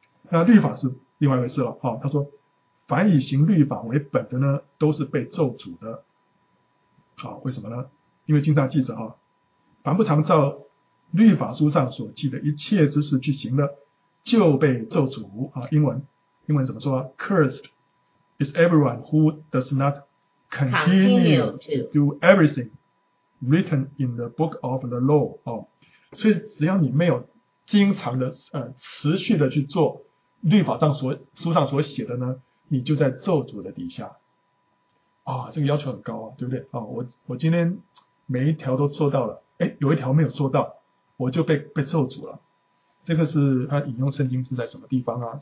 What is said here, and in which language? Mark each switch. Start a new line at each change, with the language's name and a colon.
Chinese: 那律法是另外一回事了啊、哦。他说，凡以行律法为本的呢，都是被咒诅的。好、哦，为什么呢？因为经常记着啊。哦，凡不常照律法书上所记的一切之事去行的，就被咒诅啊！英文怎么说
English: ？Cursed is everyone who does not continue to do everything written in the book of the law 啊！
Chinese: 所以只要你没有经常的持续的去做律法上所书上所写的呢，你就在咒诅的底下啊！这个要求很高啊，对不对啊？我今天每一条都做到了。哎，有一条没有做到，我就被咒诅了。这个是他引用圣经是在什么地方啊？